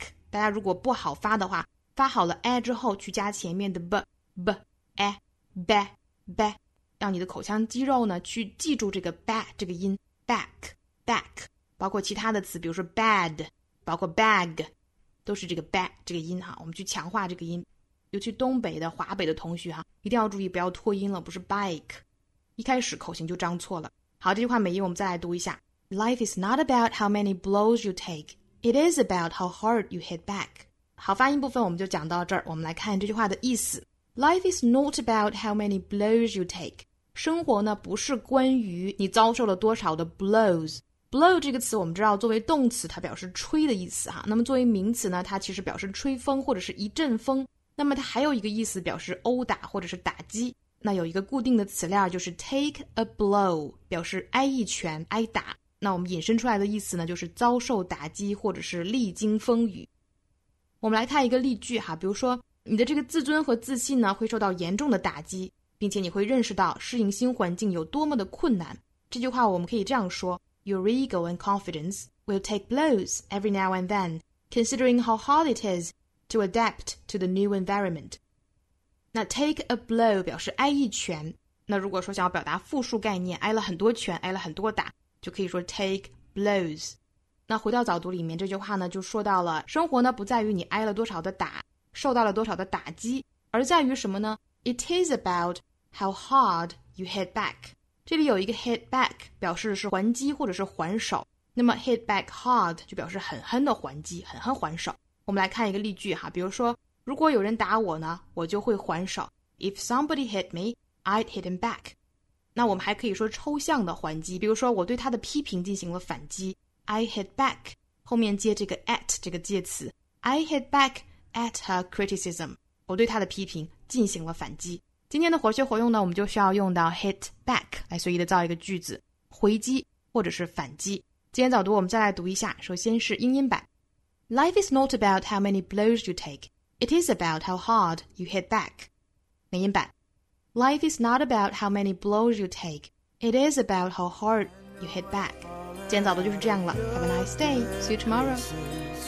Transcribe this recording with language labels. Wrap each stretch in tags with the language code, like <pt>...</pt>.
<zh>大家如果不好发的话，发好了 a 之后去加前面的 b b a b b， 让你的口腔肌肉呢去记住这个 b 这个音 back back。包括其他的词，比如说 bad， 包括 bag。都是这个 back 这个音哈，我们去强化这个音，尤其东北的华北的同学哈，一定要注意不要拖音了，不是 bike， 一开始口型就张错了。好，这句话美音我们再来读一下。</zh> <en>Life is not about how many blows you take, it is about how hard you hit back.</en> <zh>好，发音部分我们就讲到这儿，我们来看这句话的意思。</zh> <en>Life is not about how many blows you take,</en> <zh>生活呢不是关于你遭受了多少的 blows。 Blow 这个词我们知道作为动词它表示吹的意思哈，那么作为名词呢它其实表示吹风或者是一阵风，那么它还有一个意思表示殴打或者是打击，那有一个固定的词链就是 take a blow， 表示挨一拳挨打，那我们引申出来的意思呢就是遭受打击或者是历经风雨。我们来看一个例句哈，比如说你的这个自尊和自信呢会受到严重的打击，并且你会认识到适应新环境有多么的困难。</zh> <en>这句话我们可以这样说，Your ego and confidence will take blows every now and then, considering how hard it is to adapt to the new environment.</en> <zh>那 take a blow 表示挨一拳，那如果说想要表达复数概念，挨了很多拳，挨了很多打，就可以说 take blows. 那回到早读里面，这句话呢就说到了，生活呢不在于你挨了多少的打，受到了多少的打击，而在于什么呢？</zh> <en>It is about how hard you hit back.</en> <zh>这里有一个 hit back， 表示是还击或者是还手。那么 hit back hard 就表示狠狠的还击，狠狠还手。我们来看一个例句哈，比如说，如果有人打我呢，我就会还手。</zh> <en>If somebody hit me, I'd hit him back。</en> <zh>那我们还可以说抽象的还击，比如说我对他的批评进行了反击 ，</zh> <en>I hit back，</en> <zh>后面接这个 at 这个介词 ，</zh> <en>I hit back at her criticism，</en> <zh>我对他的批评进行了反击。今天的活学活用呢，我们就需要用到 hit back 来随意的造一个句子，回击或者是反击。今天早读我们再来读一下，首先是英音版。</zh> <en>Life is not about how many blows you take, it is about how hard you hit back.</en> <zh>美音版。</zh> <en>Life is not about how many blows you take, it is about how hard you hit back.</en> <zh>今天早读就是这样了，</zh> <en>Have a nice day, see you tomorrow.</en>